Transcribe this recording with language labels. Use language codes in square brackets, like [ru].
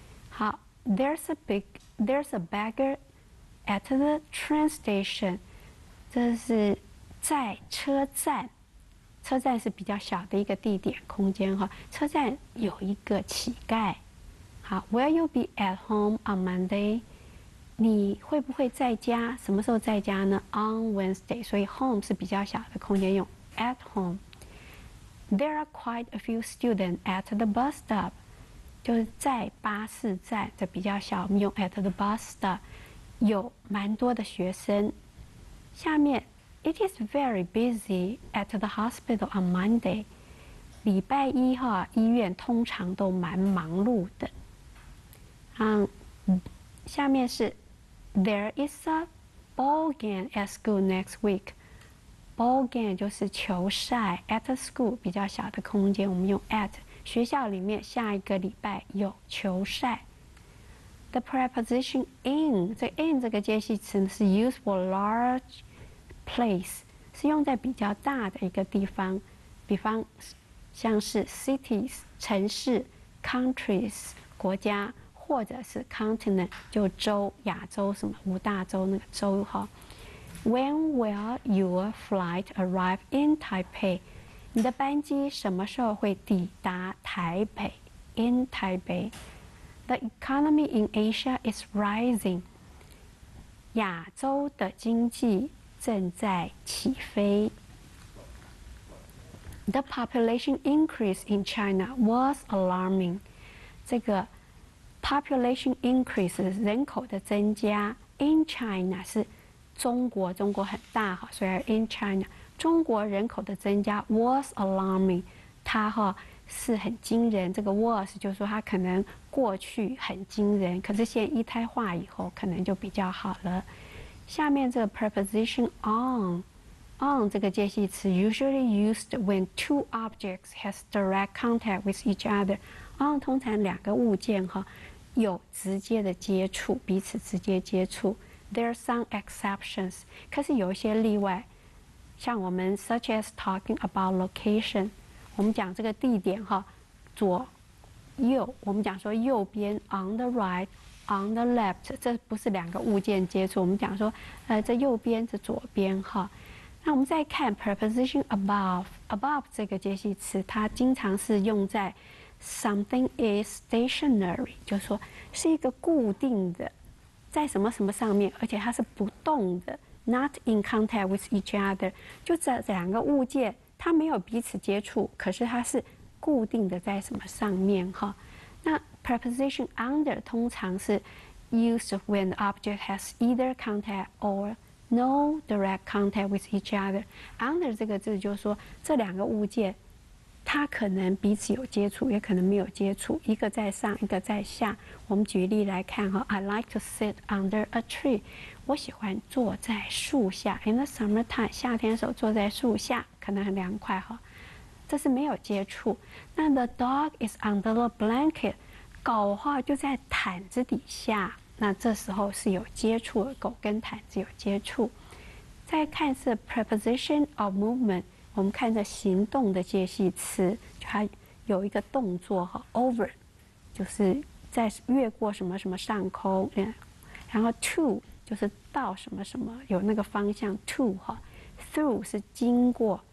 [zh] 好 ， [en] there's a beggar at the train station， [zh] 这是在车站，车站是比较小的一个地点空间哈。车站有一个乞丐。好 [en] ，Will you be at home on Monday？ [zh] 你会不会在家？什么时候在家呢 ？ [en] On Wednesday， [zh] 所以 home 是比较小的空间，用 at home。 [en] There are quite a few students at the bus stop， [zh] 就是在巴士站，这比较小，我们用 [en] at the bus stop， [zh] 有蛮多的学生。下面 ， [en] It is very busy at the hospital on Monday， [zh] 礼拜一哈，医院通常都蛮忙碌的。 [en] 下面是 ，There is a ball game at school next week。 [zh] Ball game 就是球赛 ，at school 比较小的空间，我们用 at 学校里面下一个礼拜有球赛。 The preposition in 这 in 这个介系词是 [en] used for large place， [zh] 是用在比较大的一个地方，比方像是 cities 城市 ，countries 国家，或者是 continent 就洲亚洲什么五大洲那个洲哈。 [en] When will your flight arrive in Taipei? [zh] 你的班机什么时候会抵达台北 ？ [en] In Taipei, the economy in Asia is rising. [zh] 亚洲的经济正在起飞。 [en] The population increase in China was alarming. [zh] 这个 population increase 人口的增加 in China 是。中国，中国很大哈，所以 in China， 中国人口的增加 was alarming， 它哈是很惊人。这个 was 就是说它可能过去很惊人，可是现在一胎化以后可能就比较好了。 [en] 下面这个 preposition on 这个介系词 usually used when two objects has direct contact with each other， on [zh] 通常两个物件哈有直接的接触，彼此直接接触。 [en] There are some exceptions， [zh] 可是有一些例外，像我们 [en] such as talking about location， [zh] 我们讲这个地点哈，左右，我们讲说右边 [en] on the right， on the left， [zh] 这不是两个物件接触，我们讲说这右边这左边哈。那我们再看 preposition above 这个介系词，它经常是用在 [en] something is stationary， [zh] 就是说是一个固定的。在什么什么上面，而且它是不动的， [en] not in contact with each other， [zh] 就这两个物件，它没有彼此接触，可是它是固定的在什么上面哈？ [en] 那 preposition under 通常是 used when the object has either contact or no direct contact with each other。 [zh] under 这个字就是说这两个物件，它可能彼此有接触，也可能没有接触，一个在上，一个在下。我们举例来看哈 ， [en] I like to sit under a tree， [zh] 我喜欢坐在树下。 [en] In the summertime， [zh] 夏天的时候坐在树下可能很凉快哈。这是没有接触。那 [en] the dog is under the blanket， [zh] 狗的话就在毯子底下。那这时候是有接触的，狗跟毯子有接触。再看是 preposition of movement， 我们看着行动的介系词，就它有一个动作哈 ，over， 就是在越过什么什么上空，然后 to 就是到什么什么有那个方向 to 哈 ，through 是经过。